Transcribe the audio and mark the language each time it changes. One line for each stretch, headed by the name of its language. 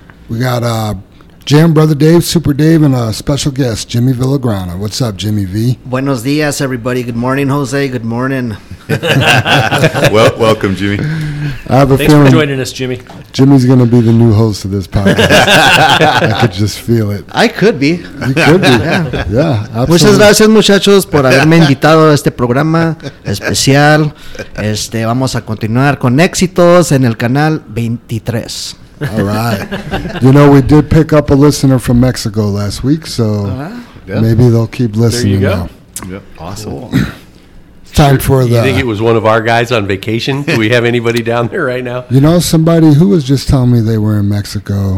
English: We got Jam, Brother Dave, Super Dave, and a special guest, Jimmy Villagrana. What's up, Jimmy V?
Spanish: Buenos dias,
English: everybody. Good morning, Jose. Good morning. Welcome, Jimmy. Thanks for joining us, Jimmy. Jimmy's going to be the new host of this podcast. I could just feel it. I could be. You could be. Yeah, absolutely.
Spanish: Muchas gracias, muchachos, por haberme invitado a este programa especial. Vamos a continuar con éxitos en el canal 23.
English: All right. You know, we did pick up a listener from Mexico last week, so maybe they'll keep listening. There you go. Now. Yep. Awesome. Cool. Time for the. You think it was one of our guys on vacation? Do we have anybody down there right now? You know, somebody who was just telling me they were in Mexico.